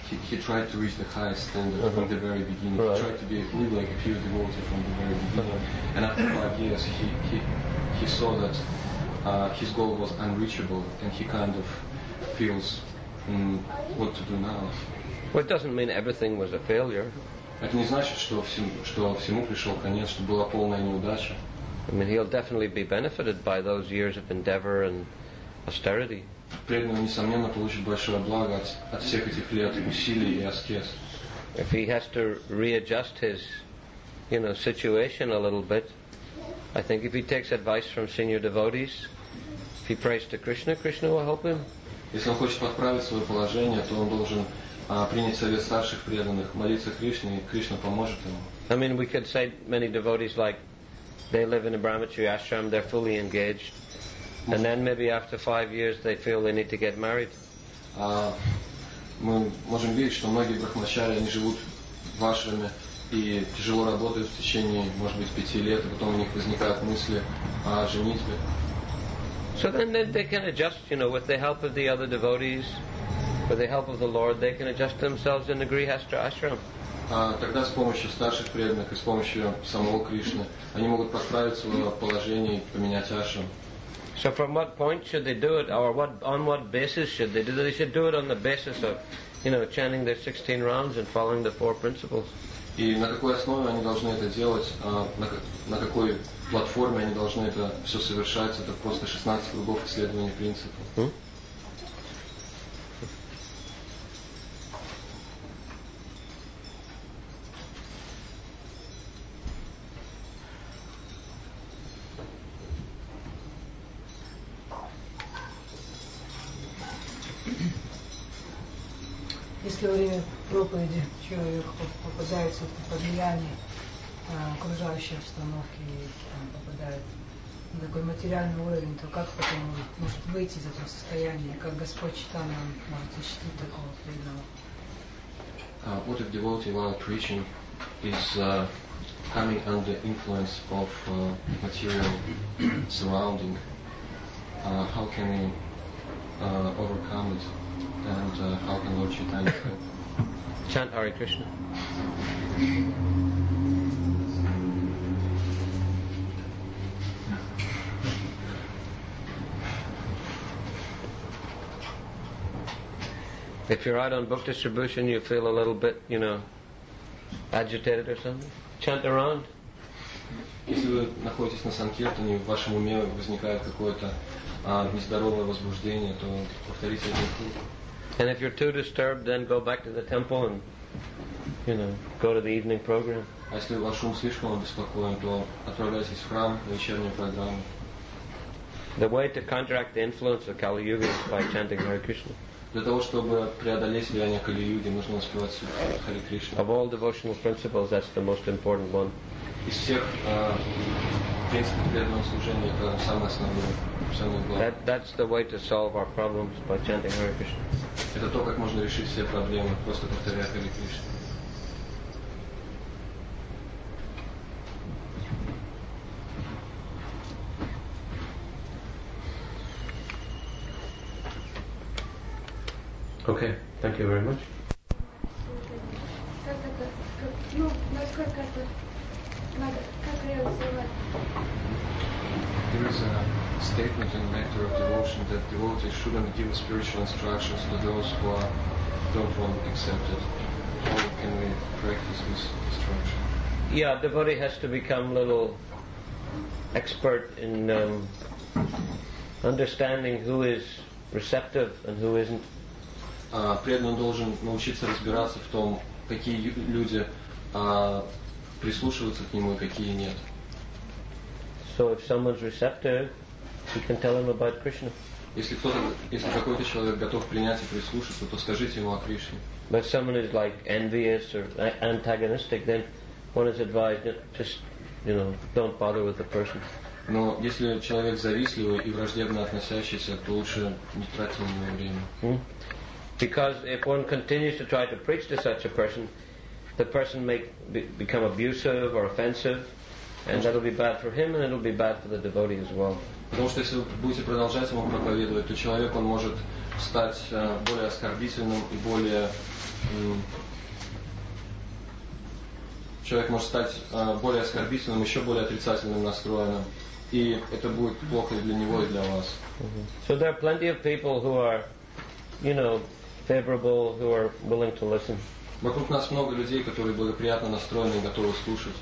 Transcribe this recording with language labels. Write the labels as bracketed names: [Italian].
[English] He tried to reach the highest standard from the very beginning. Right. He tried to live like a pure devotee from the very beginning. Uh-huh. And after 5 years he saw that his goal was unreachable and he kind of feels what to do now. Well, it doesn't mean everything was a failure. [Russian] Это не значит, что всему пришел конец, что была полная неудача. [English] I mean, he'll definitely be benefited by those years of endeavor and austerity. [Russian] Преданный несомненно получит большое благо от всех этих лет усилий и аскез. [English] If he has to readjust his, situation a little bit, I think if he takes advice from senior devotees, if he prays to Krishna, Krishna will help him. [Russian] Если он хочет подправить свое положение, то он должен принять совет старших преданных, молиться Кришне, и Кришна поможет ему. [English] I mean, we could say many devotees, like, they live in a brahmachari ashram, they're fully engaged, and then maybe after 5 years they feel they need to get married. [Russian] Мы можем видеть, что многие брахмачари, они живут в ашраме и тяжело работают в течение, может быть, 5 лет, и потом у них возникают мысли о женитьбе. [English] So then they can adjust, with the help of the other devotees, with the help of the Lord, they can adjust themselves in the grihastha ashram. [Russian] Тогда с помощью старших преданных и с помощью самого Кришны они могут подправить свое положение и поменять ашрам. [English] So from what point should they do it, or on what basis should they do it? They should do it on the basis of, chanting their 16 rounds and following the four principles. [Russian] И на какой основе они должны это делать? На какой платформе они должны это все совершать? Это просто 16 кругов исследования принципов. Если во время проповеди человек попадает под влияние окружающей обстановки и попадает на такой материальный уровень, то как потом он может выйти из этого состояния? Как Господь Чайтанья может защитить такого преданного? [English] What if devotee while preaching is coming under influence of material surrounding? How can he overcome it, and how can Lord Chaitanya help? Chant Hare Krishna. If you're out on book distribution, you feel a little bit, you know, agitated or something, chant around. [Russian] Если вы находитесь на санкиртане, в вашем уме возникает какое-то нездоровое возбуждение, то повторите один круг. [English] And if you're too disturbed, then go back to the temple and, you know, go to the evening program. [Russian] А если ваш ум слишком обеспокоен, то отправляйтесь в храм на вечернюю программу. [English] The way to counteract the influence of Kali Yuga is by chanting Hare Krishna. [Russian] Для того, чтобы преодолеть влияние Кали-юги, нужно воспевать Хари Кришну. [English] Of all devotional principles, that's the most important one. [Russian] Из всех принципов преданного служения, это самое основное, самое главное. [English] That's the way to solve our problems by chanting Hare Krishna. [Russian] Это то, как можно решить все проблемы, просто повторяя Хари Кришну. [English] Okay, thank you very much. There is a statement in the Nectar of Devotion that devotees shouldn't give spiritual instructions to those who are don't want accepted. How can we practice this instruction? Yeah, devotee has to become a little expert in understanding who is receptive and who isn't. [Russian] Преданный должен научиться разбираться в том, какие люди прислушиваются к нему и какие нет. [English] So if someone's receptive, you can tell him about Krishna. [Russian] Если какой-то человек готов принять и прислушаться, то скажите ему о Кришне. [English] But if someone is like envious or antagonistic, then one is advised just, you know, don't bother with the person. [Russian] Но если человек завистливый и враждебно относящийся, то лучше не тратить на него время. [English] Because if one continues to try to preach to such a person, the person may become abusive or offensive, and that will be bad for him, and it will be bad for the devotee as well. [Russian] Потому что если вы будете продолжать ему проповедовать, то человек он может стать более оскорбительным и более человек может стать более оскорбительным, еще более отрицательным настроенным, и это будет плохо для него и для вас. [English] So there are plenty of people who are, you know, favorable, who are willing to listen. [Russian] Вокруг нас много людей, которые благоприятно настроены и готовы слушать.